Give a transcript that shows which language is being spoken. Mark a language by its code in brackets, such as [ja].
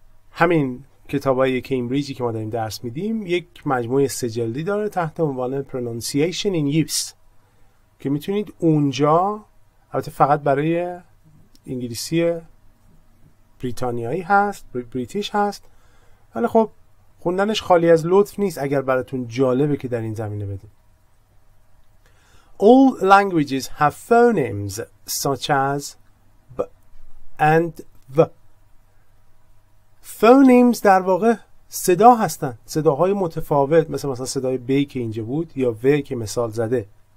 [fa] همین کتاب های کمبریجی که ما داریم درس میدیم یک مجموعه سه جلدی داره تحت عنوان pronunciation in use که میتونید اونجا، البته فقط برای انگلیسی بریتانیایی هست، بریتیش هست، ولی خب خوندنش خالی از لطف نیست اگر براتون جالبه که در این زمینه بدیم. [en] All languages have phonemes such as b and v. [fa] Phonemes در واقع صدا هستن، صداهای متفاوت، مثلا صدای b که اینجا بود یا v که مثال زده.